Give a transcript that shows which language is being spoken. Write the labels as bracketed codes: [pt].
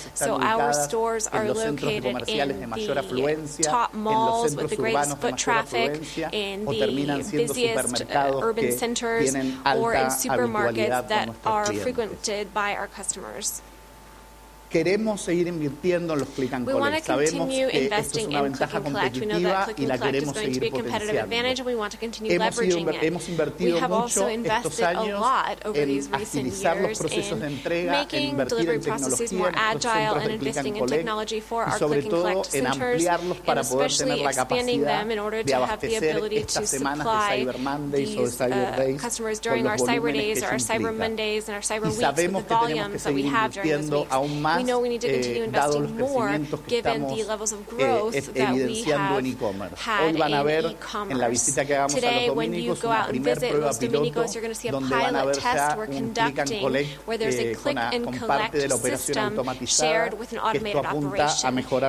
[en] So our stores are located in the top malls with the greatest foot traffic, in the busiest urban centers, or in supermarkets that are frequented by our customers. [es] Queremos seguir invirtiendo en los click and collect. Sabemos que esto es una ventaja competitiva y la queremos seguir potenciando. Hemos invertido mucho estos años en agilizar los procesos de entrega, en invertir en tecnología, en los centros de click and collect, y sobre todo en ampliarlos para poder tener la capacidad de abastecer estas semanas de Cyber Mondays o de Cyber Days con los volúmenes que se implican. Y sabemos que tenemos que seguir invirtiendo aún más. [en] We know we need to continue investing more given the levels of growth that we have had in e-commerce. Today, when you go out and visit Los Dominicos, you're going to see a pilot test we're conducting where there's a click and collect system shared with an automated operation.